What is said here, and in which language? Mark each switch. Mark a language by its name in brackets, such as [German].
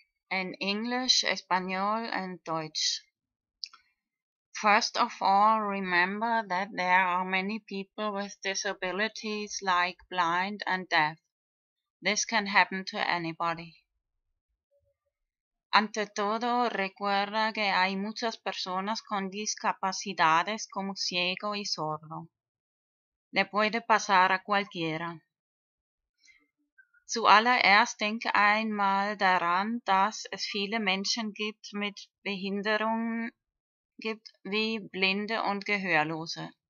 [English] In English, Espanol, and Deutsch. First of all, remember that there are many people with disabilities like blind and deaf. This can happen to anybody. [Spanish] Ante todo, recuerda que hay muchas personas con discapacidades como ciego y sordo. Le puede pasar a cualquiera. [German] Zuallererst denk einmal daran, dass es viele Menschen gibt mit Behinderungen, gibt wie Blinde und Gehörlose.